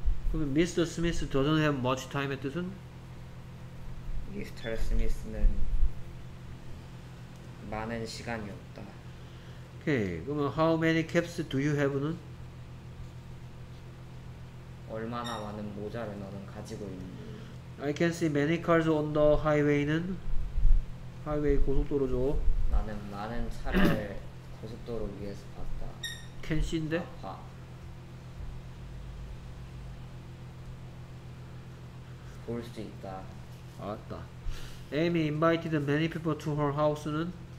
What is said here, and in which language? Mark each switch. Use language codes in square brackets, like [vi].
[ko] 그럼 [en] 미스터 스미스 doesn't have much time의 [ko] 뜻은? 미스터 스미스는 많은 시간이 없다. [en] 오케이. [ko] 그러면 [en] how many caps do you have는? [ko] 얼마나 많은 모자를 너는 가지고 있는지. [en] I can see many cars on the highway는? [ko] 하이웨이 고속도로죠. 나는 많은 차를 고속도로 위에서 봤다. [en] can see인데? [ko] 봐. 볼 수 있다. 알았다. [en] Amy invited many people to her house는?